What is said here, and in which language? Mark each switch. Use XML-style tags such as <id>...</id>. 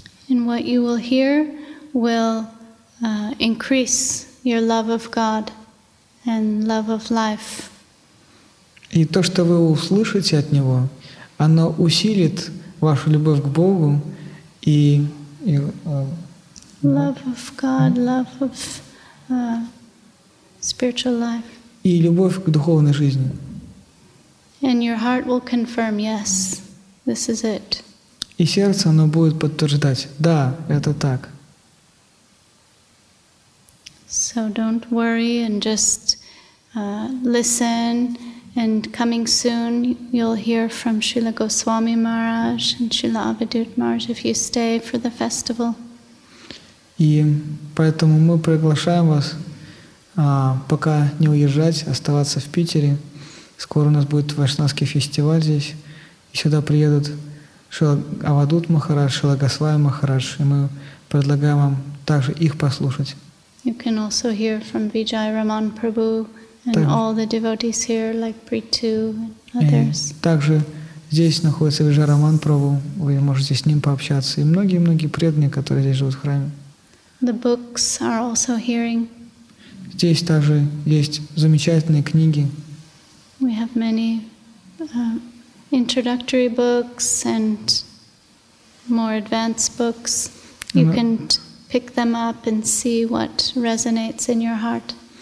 <en>And what you will hear will increase your love of God and love of life.</en> <ru>И то, что вы услышите от него, оно усилит вашу любовь к Богу и</ru> <en>love of God, love of spiritual life.</en> <ru>И любовь к духовной жизни.</ru> <en>And your heart will confirm, yes, this is it.</en> <ru>И сердце, оно будет подтверждать, да, это так.</ru> <en>So don't worry and just listen. And coming soon, you'll hear from Srila Goswami Maharaj and Srila Avadhut Maharaj if you stay for the festival.</en> <ru>И поэтому мы приглашаем вас пока не уезжать, оставаться в Питере. Скоро у нас будет вайшнавский фестиваль здесь. И сюда приедут Шрила Авадут Махарадж, Шрила Госвами Махарадж, и мы предлагаем вам также их послушать.</ru> <en>You can also hear from Vijay Raman Prabhu and</en> <ru>также,</ru> <en>all the devotees here, like Preetu and others.</en> <ru>Также здесь находится Vijay Raman Prabhu, вы можете с ним пообщаться, и многие-многие преданные, которые здесь живут в храме.</ru> <en>The books are also hearing.</en> <ru>Здесь также есть замечательные книги.</ru> <en>We have many introductory books and more advanced books. You can pick them up and see what resonates in your heart.</en>